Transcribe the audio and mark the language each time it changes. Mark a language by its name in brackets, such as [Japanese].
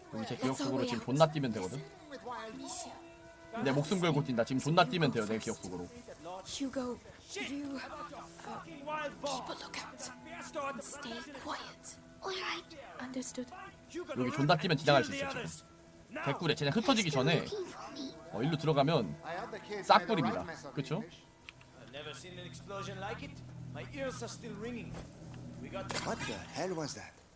[Korean] 우리 제 기억속으로 지금 존나 뛰면 되거든. 내 목숨 걸고 뛴다. 지금 존나 뛰면 돼요. 내 기억속으로. [English] Hugo, you keep a lookout and stay quiet. Alright, understood. [Korean] 여기 존나 뛰면 지나갈 수 있어. 개꿀에 그냥 흩어지기 전에 일로 들어가면 싹꿀입니다. 그렇죠? [English] What the hell was that?